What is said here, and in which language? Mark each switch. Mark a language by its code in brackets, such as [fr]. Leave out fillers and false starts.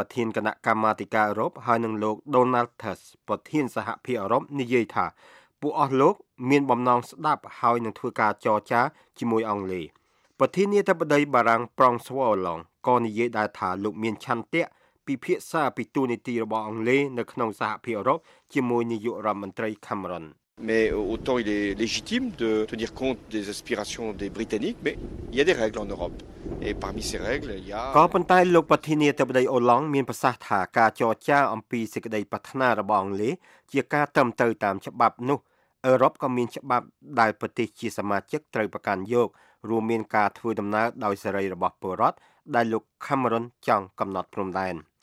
[km] រធានគណៈកម្មាធិការអឺរ៉ុបហើយនឹងលោក Donald Tusk ប្រធានសហភាពអឺរ៉ុបនិយាយថាពួកអស់លោកមានបំណងស្ដាប់ហើយនឹងធ្វើការចរចាជាមួយអង់គ្លេសប្រធានាធិបតីបារាំង François Hollande ក៏និយាយដែរថាលោកមានឆន្ទៈពិភាក្សាពីទូនីតិរបស់អង់គ្លេសនៅក្នុងសហភាពអឺរ៉ុបជាមួយនាយករដ្ឋមន្ត្រី Cameron [fr] Mais autant il est légitime de tenir compte des aspirations des Britanniques mais il y a des règles en Europe et parmi ces règles il y a [km] ក៏ប៉ុន្តែលោកប្រធានាធិបតី Hollande មានប្រសាសន៍ថាការចរចាអំពីសេចក្តីប្រាថ្នារបស់អង់គ្លេសជាការត្រឹមទៅតាមច្បាប់នោះអឺរ៉ុបក៏មានច្បាប់ដែលប្រទេសជាសមាជិកត្រូវប្រកាន់យករួមមានការធ្វើដំណើរដោយសេរីរបស់ពលរដ្ឋដែលលោក Cameron ចង់កំណត់ព្រំដែន